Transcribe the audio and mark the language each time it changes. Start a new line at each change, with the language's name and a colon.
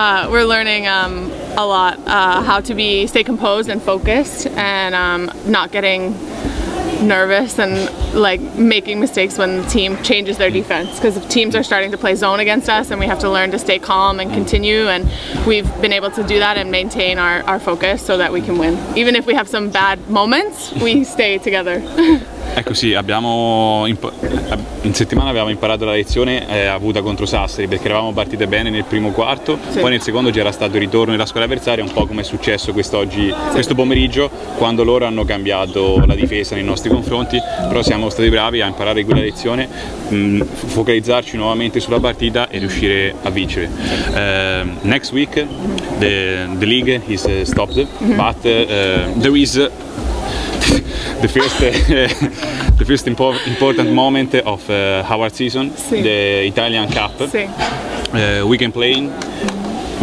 English: We're learning a lot how to stay composed and focused and not getting nervous and like making mistakes when the team changes their defense, because teams are starting to play zone against us and we have to learn to stay calm and continue, and we've been able to do that and maintain our focus so that we can win. Even if we have some bad moments, we stay together.
Italian: Ecco sì, in settimana abbiamo imparato la lezione avuta contro Sassari, perché eravamo partite bene nel primo quarto, sì, poi nel secondo c'era stato il ritorno della squadra avversaria, un po' come è successo quest'oggi, sì, questo pomeriggio, quando loro hanno cambiato la difesa nei nostri confronti, però siamo stati bravi a imparare quella lezione, focalizzarci nuovamente sulla partita e riuscire a vincere.
English: Next week the league is stopped, mm-hmm, but there is the first important moment of our season,
Italian: sì,
English: the Italian Cup.
Italian: Sì.
English: We can play. Mm-hmm.